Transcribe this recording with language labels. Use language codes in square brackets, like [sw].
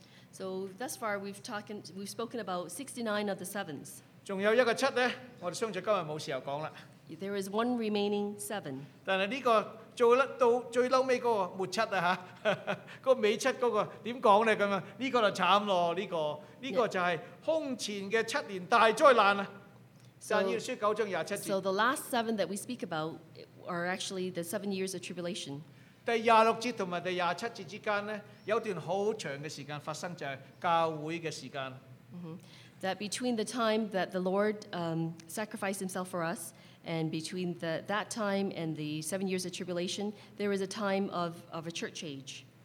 [en] So thus far we've spoken about 69 of the sevens. [zh] 还有一个七呢, 我们相信今天没时候讲了。 [en] There is one remaining seven. [zh] 但是这个到最后那个末七啊, 那个尾七那个怎么讲呢? 这个就惨了, 这个就是空前的七年大灾难。 [en] So the last seven that we speak about are actually the 7 years of tribulation. [zh] 第26节和第27节之间呢, 有一段很长的时间发生就是教会的时间。 [en] That between the time that the Lord sacrificed himself for us, and between that time and the 7 years of tribulation, there is a time of a church age.